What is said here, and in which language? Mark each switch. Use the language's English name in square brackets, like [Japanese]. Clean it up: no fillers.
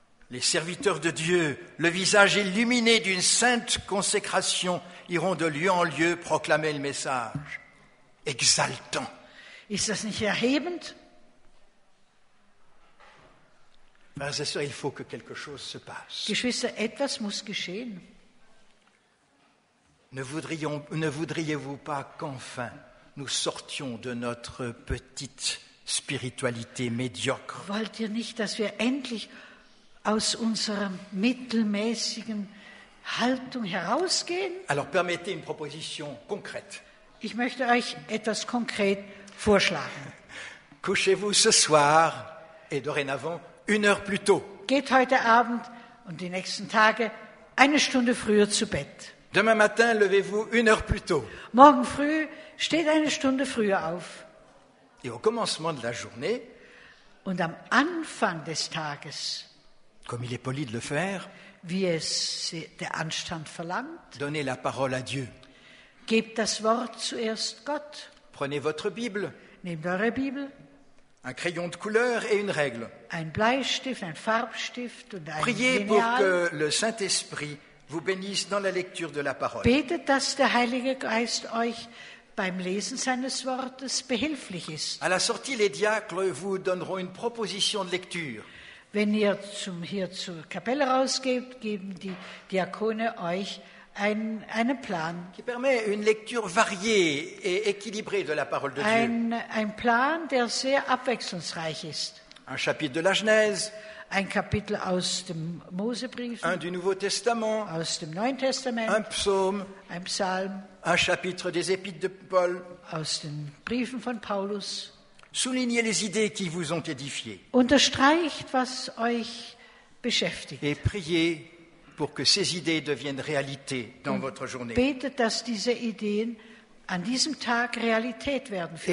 [French] Les serviteurs de Dieu, le visage illuminé d'une sainte consécration, iront de lieu en lieu proclamer le message. Exaltant. [German] Ist das nicht erhebend? [French] Frères et sœurs, il faut que quelque chose se passe. [German] Geschwister, etwas muss geschehen. [French] Ne voudriez-vous pas qu'enfin nous sortions de notre petite spiritualité médiocre? [German] Wollt ihr nicht, dass wir endlich aus unserer mittelmäßigen Haltung herausgehen? [French] Alors permettez une proposition concrète. [German] Ich möchte euch etwas konkret vorschlagen. [French] Couchez-vous ce soir et dorénavant une heure plus tôt. [German] Geht heute Abend und die nächsten Tage eine Stunde früher zu Bett. [French] Demain matin, levez-vous une heure plus tôt. [German] Morgen früh steht eine Stunde früher auf. [French] Et au commencement de la journée, [German] und am Anfang des Tages, [French] comme il est poli de le faire, [German] wie es der Anstand verlangt, [French] donnez la parole à Dieu. [German] Gebt das Wort zuerst Gott. [French] Prenez votre Bible. [German] Nehmt eure Bibel. [French] Un crayon de couleur et une règle. [German] Ein Bleistift, ein Farbstift und ein [French] Priez [German] Lineal. [French] Pour que le Saint-Esprit vous bénisse dans la lecture de la parole. [German] Betet, dass der Heilige Geist euch beim Lesen seines Wortes behilflich ist. [French] À la sortie, les diacres vous donneront une proposition de lecture. [German] Wenn ihr hier zur Kapelle rausgeht, geben die Diakone euch einen Plan. [French] Qui permet une lecture variée et équilibrée de la parole de Dieu. [German] Ein Plan, der sehr abwechslungsreich ist. [French] Un chapitre de la Genèse. [German] Ein Kapitel aus dem Mosebrief. [French] Un du Nouveau Testament. [German] Aus dem Neuen Testament. [French] Un psaume. [German] Ein Psalm. [French] Un chapitre des épîtres de Paul. [German] Aus den Briefen von Paulus. [French] Soulignez les idées qui vous ont édifiées. [German] Unterstreicht, was euch beschäftigt. [French] Et priez pour que ces idées deviennent réalité dans [German] Und [French] votre journée. [German] Betet, dass diese Ideen an diesem Tag Realität werden für